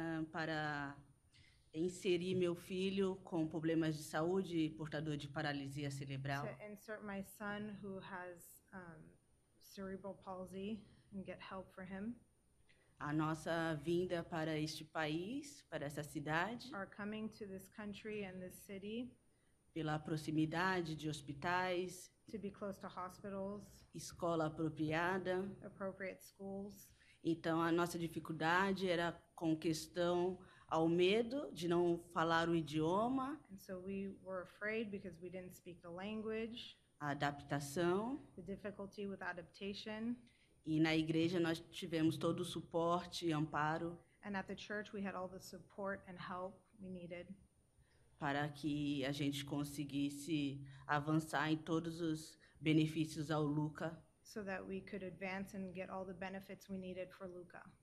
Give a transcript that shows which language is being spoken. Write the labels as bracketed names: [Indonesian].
[Portuguese] Para inserir meu filho com problemas de saúde e portador de paralisia cerebral. [English] To insert my son who has cerebral palsy and get help for him. [Portuguese] A nossa vinda para este país, para essa cidade. [English] Our coming to this country and this city. [Portuguese] Pela proximidade de hospitais. [English] To be close to hospitals. [Portuguese] Escola apropriada. [English] Appropriate schools. [Portuguese] Então a nossa dificuldade era com questão ao medo de não falar o idioma. [English] And so we were afraid because we didn't speak the language. [Portuguese] A adaptação. [English] The difficulty with adaptation. [Portuguese] E na igreja nós tivemos todo o suporte e amparo. [English] And at the church we had all the support and help we needed. [Portuguese] Para que a gente conseguisse avançar em todos os benefícios ao Luca. [English] So that we could advance and get all the benefits we needed for Luca.